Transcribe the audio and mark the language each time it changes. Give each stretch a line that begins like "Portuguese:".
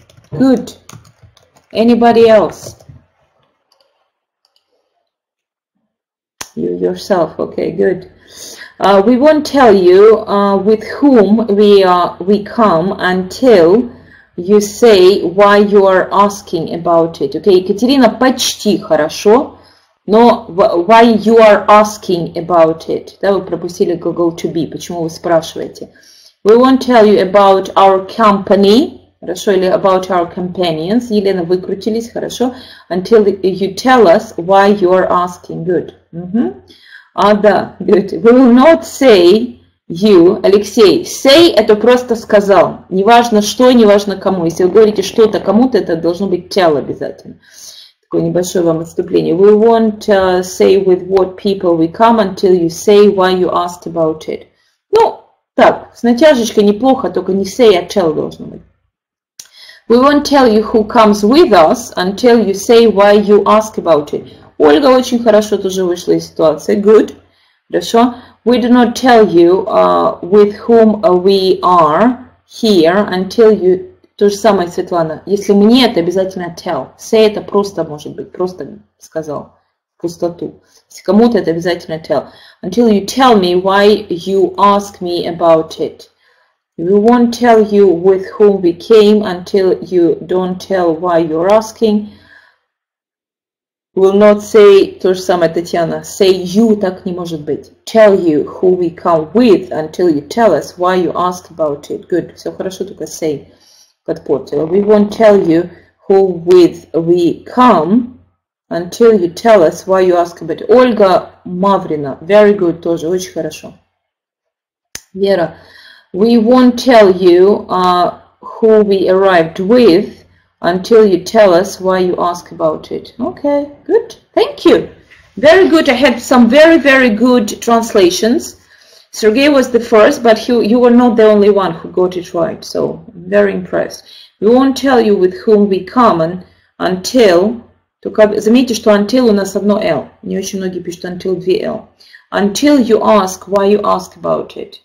English: Good. Anybody else? You yourself. Okay, good. We won't tell you with whom we come until you say why you are asking about it.
Russian: Okay, Екатерина, почти хорошо.
English: Но why you are asking about it?
Russian: Да, вы пропустили глагол to be. Почему вы спрашиваете?
English: We won't tell you about our company.
Russian: Хорошо, или
English: about our companions.
Russian: Елена, выкрутились, хорошо.
English: Until you tell us why you are asking. Good. Mm-hmm. Да, good. We will not say you.
Russian: Алексей, say – это просто сказал. Неважно что, неважно кому. Если вы говорите что-то кому-то, это должно быть tell обязательно. Такое небольшое вам отступление.
English: We won't say with what people we come until you say why you asked about it.
Russian: Ну, так, с натяжечкой неплохо, только не say, а tell должно быть.
English: We won't tell you who comes with us until you say why you ask about it.
Russian: Ольга очень хорошо тоже вышла из ситуации.
English: Good. Хорошо. We do not tell you with whom we are here until you...
Russian: То же самое, Светлана. Если мне, это обязательно tell. Say это просто может быть. Просто сказал. В пустоту. Если кому-то, это обязательно tell.
English: Until you tell me why you ask me about it. We won't tell you with whom we came until you don't tell why you're asking. Will not say,
Russian: то же самое, Татьяна.
English: Say you,
Russian: так не может быть.
English: Tell you who we come with until you tell us why you ask about it.
Russian: Good. Все хорошо, только say. Подпортила.
English: We won't tell you who with we come until you tell us why you ask about it.
Russian: Ольга Маврина.
English: Very good.
Russian: Тоже очень хорошо. Вера.
English: We won't tell you who we arrived with until you tell us why you ask about it. Okay, good. Thank you. Very good. I had some very, very good translations. Sergey was the first, but you were not the only one who got it right. So, very impressed. We won't tell you with whom we common until...
Russian: Только заметьте, что until у нас одно L. Не очень многие пишут until 2 L.
English: Until you ask why you ask about it.